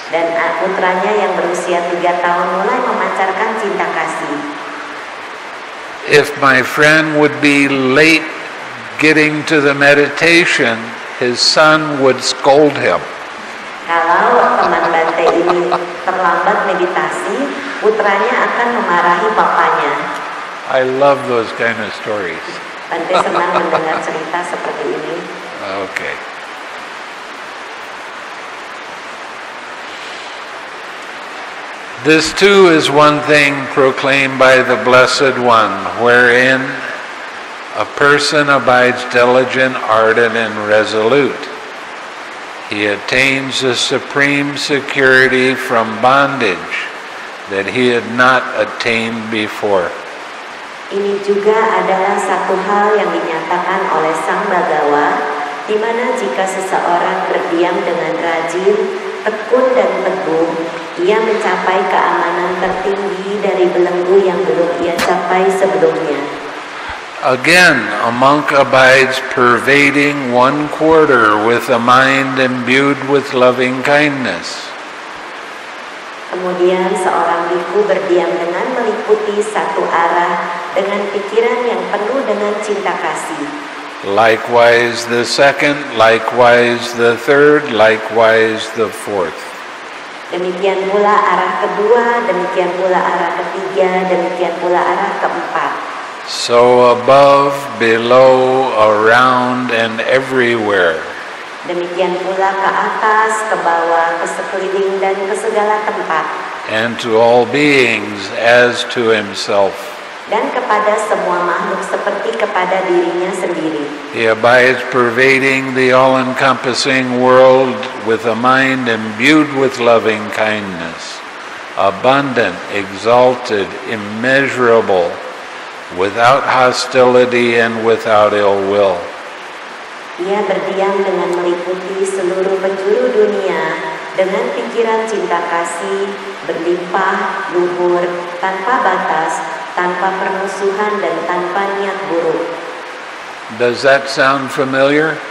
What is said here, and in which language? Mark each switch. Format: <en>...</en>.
<id>Dan putranya yang berusia 3 tahun mulai memancarkan cinta kasih.</id> <en>If my friend would be late getting to the meditation, his son would scold him.</en> <id>Kalau teman Bhante ini terlambat meditasi, putranya akan memarahi bapaknya.</id> <en>I love those kind of stories.</en> <id>Bhante senang mendengar cerita seperti ini.</id> <en>Okay. This too is one thing proclaimed by the Blessed One, wherein a person abides diligent, ardent, and resolute. He attains the supreme security from bondage that he had not attained before.</en> <id>Ini juga adalah satu hal yang dinyatakan oleh Sang Bhagawa, di mana jika seseorang berdiam dengan rajin, tekun dan teguh, ia mencapai keamanan tertinggi dari belenggu yang belum ia capai sebelumnya.</id> <en>Again, a monk abides pervading one quarter with a mind imbued with loving kindness.</en> <id>Kemudian seorang bhikkhu berdiam dengan meliputi satu arah dengan pikiran yang penuh dengan cinta kasih.</id> <en>Likewise the second, likewise the third, likewise the fourth.</en> <id>Demikian pula arah kedua, demikian pula arah ketiga, demikian pula arah keempat.</id> <en>So above, below, around, and everywhere.</en> <id>Demikian pula ke atas, ke bawah, ke sekeliling, dan ke segala tempat.</id> <en>And to all beings as to himself.</en> <id>Dan kepada semua makhluk seperti kepada dirinya sendiri.</id> <en>He abides pervading the all-encompassing world with a mind imbued with loving kindness, abundant, exalted, immeasurable, without hostility and without ill will.</en> <id>Ia berdiam dengan meliputi seluruh penjuru dunia dengan pikiran cinta kasih berlimpah, luhur, tanpa batas, tanpa permusuhan dan tanpa niat buruk.</id> <en>Does that sound familiar?</en>